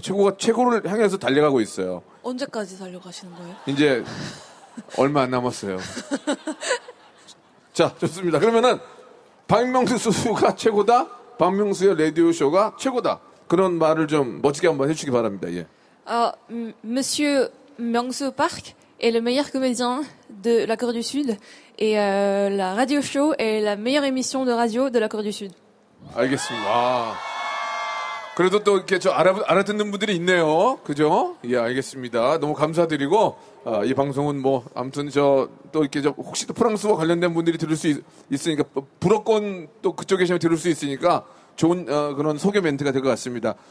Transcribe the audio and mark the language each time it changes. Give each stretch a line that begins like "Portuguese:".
Korean: 최고가 최고를 향해서 달려가고 있어요. 언제까지 달려가시는 거예요? 이제 얼마 안 남았어요. 자, 좋습니다. 그러면은 박명수 수수가 최고다? 박명수의 라디오쇼가 최고다? 그런 말을 좀 멋지게 한번 해주시기 바랍니다. 예.
French: Monsieur Myeongsu Park est le meilleur comédien de la Corée du Sud et la radio show est la meilleure émission de radio de la Corée du Sud.
Korean: 알겠습니다. 그래도 또 이렇게 저 알아듣는 분들이 있네요. 그죠? 예, 알겠습니다. 너무 감사드리고 이 방송은 뭐 아무튼 저 또 이렇게 저 혹시 또 프랑스와 관련된 분들이 들을 수 있으니까 불어권 또 그쪽에 계시면 들을 수 있으니까 좋은 그런 소개 멘트가 될 것 같습니다.